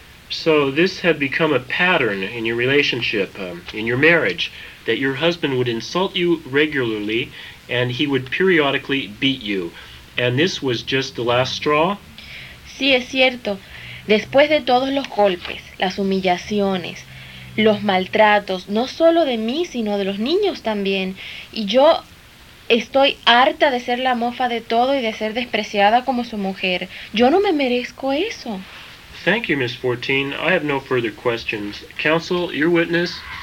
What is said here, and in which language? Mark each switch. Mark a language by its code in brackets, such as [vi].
[en] So this had become a pattern in your relationship, in your marriage, that your husband would insult you regularly and he would periodically beat you. And this was just the last straw? [es] Sí, es cierto. Después de todos los golpes, las humillaciones, los maltratos, no solo de mí, sino de los niños también. Y yo estoy harta de ser la mofa de todo y de ser despreciada como su mujer. Yo no me merezco eso. [en] Thank you, Miss 14. I have no further questions. Counsel, your witness.